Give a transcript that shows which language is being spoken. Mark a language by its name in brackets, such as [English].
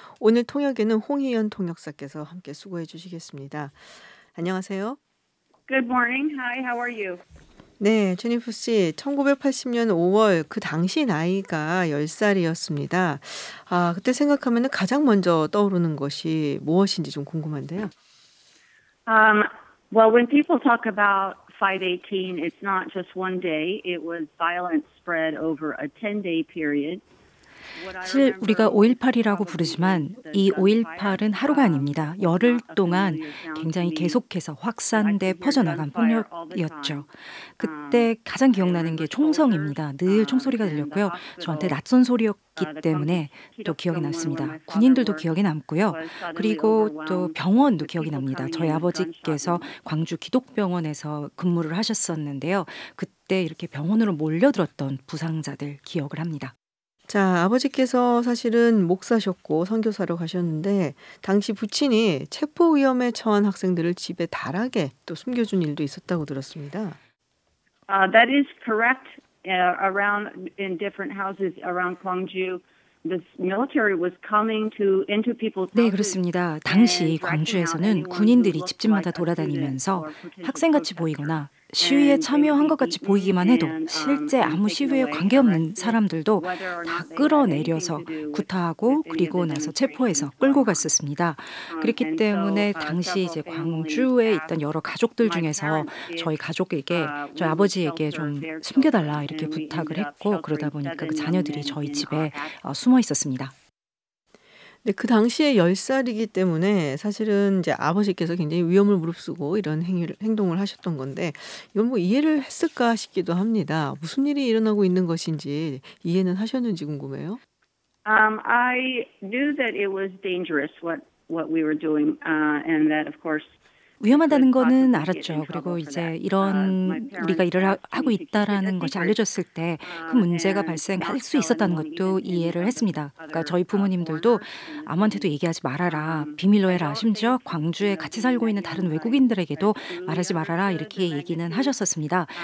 [Korean] 오늘 통역에는 홍희연 통역사께서 함께 수고해 주시겠습니다. 안녕하세요. [English] Good morning. Hi, how are you? [Korean] 네, 제니퍼 씨, 1980년 5월 그 당시 나이가 10살이었습니다. 아, 그때 생각하면 가장 먼저 떠오르는 것이 무엇인지 좀 궁금한데요. [English] Well, when people talk about 518, it's not just one day. It was violence spread over a 10-day period. [Korean] 사실 우리가 5.18이라고 부르지만 이 5.18은 하루가 아닙니다. 열흘 동안 굉장히 계속해서 확산돼 퍼져나간 폭력이었죠. 그때 가장 기억나는 게 총성입니다. 늘 총소리가 들렸고요. 저한테 낯선 소리였기 때문에 또 기억이 남습니다. 군인들도 기억이 남고요. 그리고 또 병원도 기억이 납니다. 저희 아버지께서 광주 기독병원에서 근무를 하셨었는데요. 그때 이렇게 병원으로 몰려들었던 부상자들 기억을 합니다. 자, 아버지께서 사실은 목사셨고 선교사로 가셨는데 당시 부친이 체포 위험에 처한 학생들을 집에 달하게 또 숨겨준 일도 있었다고 들었습니다. [English] That is correct. Around in different houses around Gwangju. The military was coming to into people's houses. [Korean] 네, 그렇습니다. 당시 광주에서는 군인들이 집집마다 돌아다니면서 학생같이 보이거나 시위에 참여한 것 같이 보이기만 해도 실제 아무 시위에 관계없는 사람들도 다 끌어내려서 구타하고 그리고 나서 체포해서 끌고 갔었습니다. 그렇기 때문에 당시 이제 광주에 있던 여러 가족들 중에서 저희 가족에게 저희 아버지에게 좀 숨겨달라 이렇게 부탁을 했고 그러다 보니까 그 자녀들이 저희 집에 숨어 있었습니다. 네, 그 당시에 10살이기 때문에 사실은 이제 아버지께서 굉장히 위험을 무릅쓰고 이런 행동을 하셨던 건데 이건 뭐 이해를 했을까 싶기도 합니다. 무슨 일이 일어나고 있는 것인지 이해는 하셨는지 궁금해요. [English] I knew that it was dangerous what we were doing and that of course [Korean] 위험하다는 거는 알았죠. 그리고 이제 이런 우리가 일을 하고 있다라는 것이 알려졌을 때 그 문제가 발생할 수 있었다는 것도 이해를 했습니다. 그러니까 저희 부모님들도 아무한테도 얘기하지 말아라, 비밀로 해라, 심지어 광주에 같이 살고 있는 다른 외국인들에게도 말하지 말아라 이렇게 얘기는 하셨었습니다.